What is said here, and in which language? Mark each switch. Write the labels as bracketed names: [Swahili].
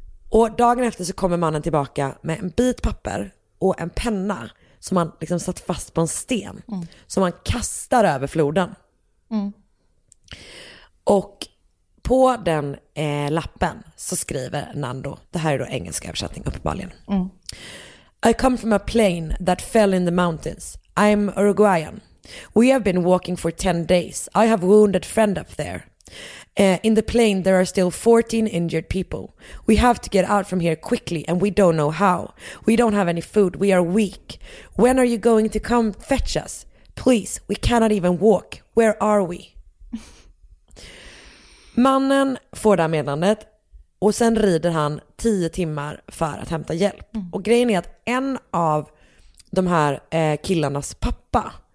[Swedish] Och dagen efter så kommer mannen tillbaka med en bit papper och en penna som han liksom satt fast på en sten. Mm. Som han kastar över floden. Mm. Och på den lappen så skriver Nando, det här är då engelska översättning uppenbarligen. Mm. [English] I come from a plane that fell in the mountains. I'm Uruguayan. We have been walking for 10 days. I have wounded friend up there. In the plane there are still 14 injured people. We have to get out from here quickly and we don't know how. We don't have any food. We are weak. When are you going to come fetch us? Please, we cannot even walk. Where are we? [Swedish] Mannen får det här meddelandet och sen rider han 10 timmar för att hämta hjälp. Mm. Och grejen är att en av de här killarnas pappa